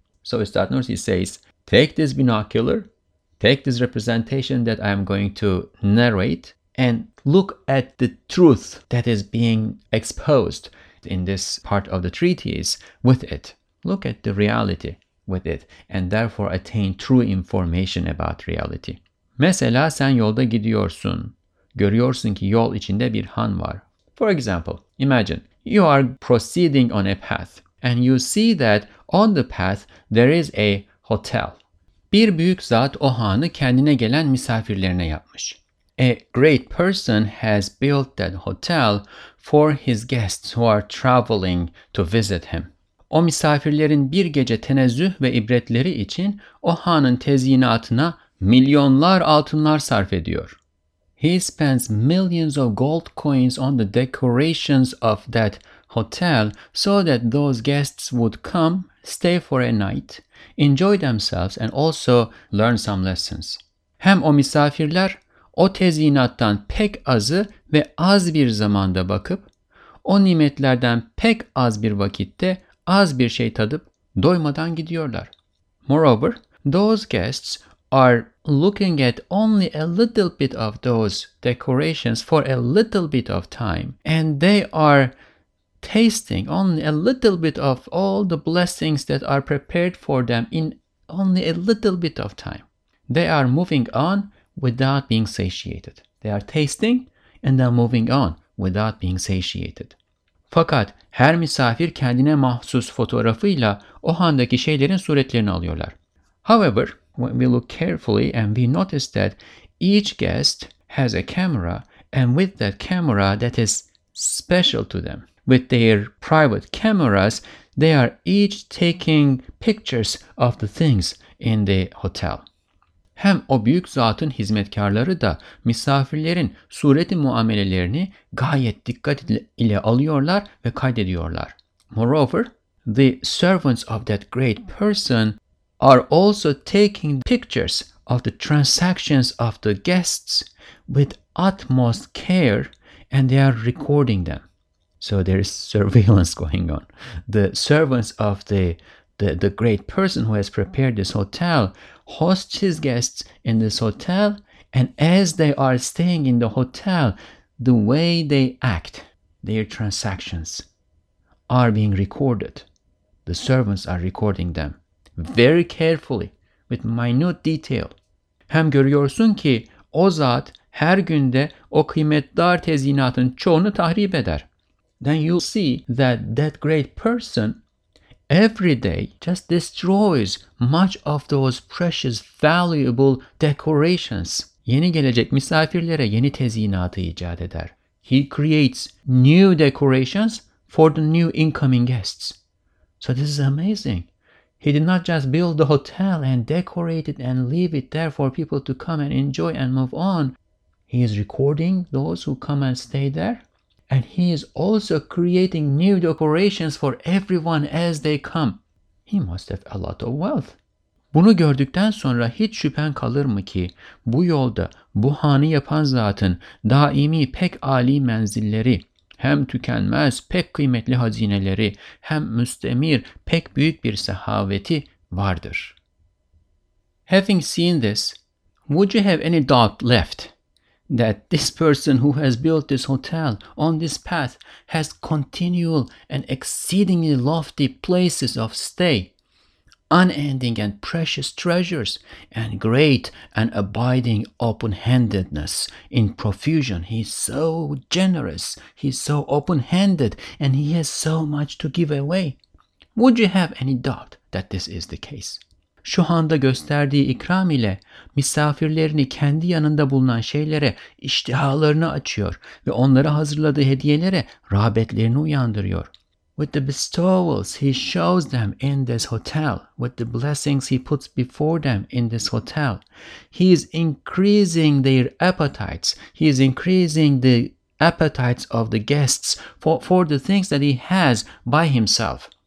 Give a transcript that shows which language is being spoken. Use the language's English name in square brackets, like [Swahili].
[English] So Üstad Nursi says, take this binocular, take this representation that I am going to narrate, and look at the truth that is being exposed in this part of the treatise with it. Look at the reality with it, and therefore attain true information about reality. [Turkish] Mesela sen yolda gidiyorsun. Görüyorsun ki yol içinde bir han var. [English] For example, imagine you are proceeding on a path, and you see that on the path there is a hotel. [Turkish] Bir büyük zat o hanı kendine gelen misafirlerine yapmış. [English] A great person has built that hotel for his guests who are traveling to visit him. [Turkish] O misafirlerin bir gece tenezzüh ve ibretleri için o hanın tezyinatına milyonlar altınlar sarf ediyor. [English] He spends millions of gold coins on the decorations of that hotel so that those guests would come, stay for a night, enjoy themselves and also learn some lessons. [Turkish] Hem o misafirler o tezyinattan pek azı ve az bir zamanda bakıp, o nimetlerden pek az bir vakitte az bir şey tadıp doymadan gidiyorlar. [English] Moreover, those guests are looking at only a little bit of those decorations for a little bit of time, and they are tasting only a little bit of all the blessings that are prepared for them in only a little bit of time. They are moving on without being satiated. They are tasting and they are moving on without being satiated. [Turkish] Fakat her misafir kendine mahsus fotoğrafıyla o handaki şeylerin suretlerini alıyorlar. [English] However, when we look carefully and we notice that each guest has a camera, and with that camera that is special to them, with their private cameras, they are each taking pictures of the things in the hotel. [Turkish] Hem o büyük zatın hizmetkarları da misafirlerin sureti muamelelerini gayet dikkat ile alıyorlar ve kaydediyorlar. [English] Moreover, the servants of that great person are also taking pictures of the transactions of the guests with utmost care, and they are recording them. So there is surveillance going on. The servants of the great person who has prepared this hotel hosts his guests in this hotel, and as they are staying in the hotel, the way they act, their transactions are being recorded. The servants are recording them very carefully, with minute detail. [Turkish] Hem görüyorsun ki o zat her günde o kıymetdar tezyinatın çoğunu tahrip eder. [English] Then you see that that great person every day just destroys much of those precious, valuable decorations. [Turkish] Yeni gelecek misafirlere yeni tezyinatı icat eder. [English] He creates new decorations for the new incoming guests. So this is amazing. He did not just build the hotel and decorate it and leave it there for people to come and enjoy and move on. He is recording those who come and stay there. And he is also creating new decorations for everyone as they come. He must have a lot of wealth. [Turkish] Bunu gördükten sonra hiç şüphen kalır mı ki bu yolda bu hanı yapan zatın daimi pek âli menzilleri, hem tükenmez pek kıymetli hazineleri, hem müstemir pek büyük bir sehaveti vardır. [English] Having seen this, would you have any doubt left that this person who has built this hotel on this path has continual and exceedingly lofty places of stay, unending and precious treasures, and great and abiding open-handedness in profusion? He's so generous, he's so open-handed, and he has so much to give away. Would you have any doubt that this is the case? [Turkish] Şu anda gösterdiği ikram ile misafirlerini kendi yanında bulunan şeylere iştihalarını açıyor ve onlara hazırladığı hediyelere rağbetlerini uyandırıyor. [English] With the bestowals he shows them in this hotel, with the blessings he puts before them in this hotel, he is increasing their appetites. He is increasing the appetites of the guests for the things that he has by himself.